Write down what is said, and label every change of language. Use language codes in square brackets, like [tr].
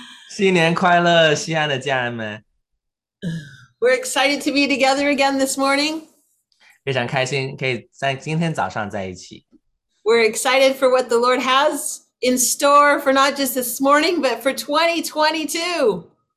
[zh] 新年快乐，西安的家人们！ [en] We're excited to be together again this morning. [zh] 非常开心可以在今天早上在一起。 [en] We're excited for what the Lord has in store for not just this morning, but for 2022.